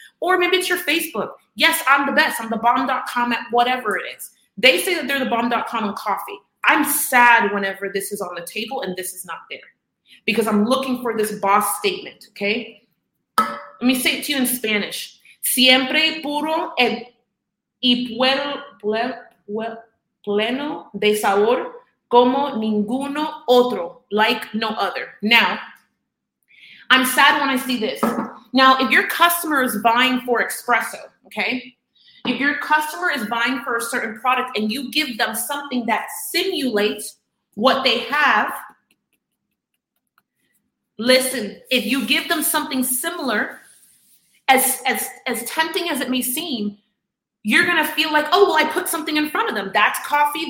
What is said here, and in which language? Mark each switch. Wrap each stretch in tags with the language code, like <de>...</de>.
<en>Or maybe it's your Facebook. Yes, I'm the best. I'm the bomb.com at whatever it is. They say that they're the bomb.com on coffee. I'm sad whenever this is on the table and this is not there because I'm looking for this boss statement, okay? Let me say it to you in Spanish.</en> <es>Siempre puro y pleno de sabor como ninguno otro,</es> <en>like no other. Now, I'm sad when I see this. Now, if your customer is buying for espresso, okay? If your customer is buying for a certain product and you give them something that simulates what they have, listen, if you give them something similar, as tempting as it may seem, you're going to feel like, oh, well, I put something in front of them. That's coffee.</en>